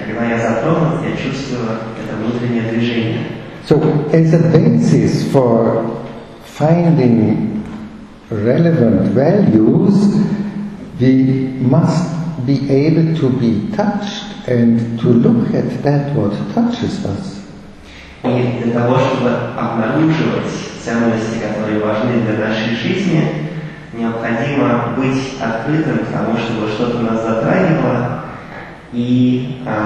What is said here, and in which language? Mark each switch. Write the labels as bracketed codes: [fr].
[ru] Когда я затронут, я чувствую это внутреннее движение. [en] So, as a basis for finding relevant values, we must be able to be touched and to look at that what touches us. [ru] И для того, чтобы обнаруживать ценности, которые важны для нашей жизни, необходимо быть открытым к тому, чтобы что-то нас затрагивало, и